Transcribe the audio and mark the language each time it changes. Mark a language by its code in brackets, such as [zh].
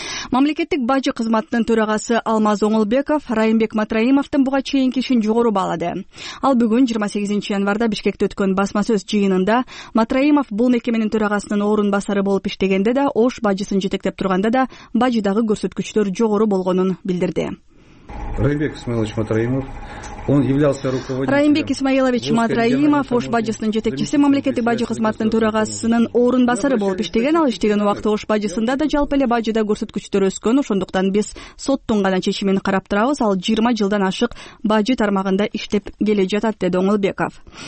[ky] Мамлекеттик бажы кызматынын төрагасы Алмаз Оңолбеков Райымбек Матраимовдун буга чейинки ишин жогору баалады. Ал бүгүн 28 январда Бишкекте өткөн басма сөз жыйынында Матраимов бул мекеменин төрагасынын орун басары болуп иштегенде да Ош бажысын жетектеп турганда да бажыдагы көрсөткүчтөр жогору болгонун билдирди. [ru] Райымбек Исмаилович Матраимов Он являлся руководителем. [ky] Райымбек Исмаилович Матраимов Ош бажысынын жетекчиси, мамлекеттик бажы кызматынын төрагасынын орун басары болуп иштеген. Ал иштеген убакта Ош бажысында да жалпы эле бажыда көрсөткүчтөр өскөн. Ошондуктан биз соттун гана чечимин карап турабыз. Ал 20 жылдан ашык бажы тармагында иштеп келе жатат, деди Оңолбеков.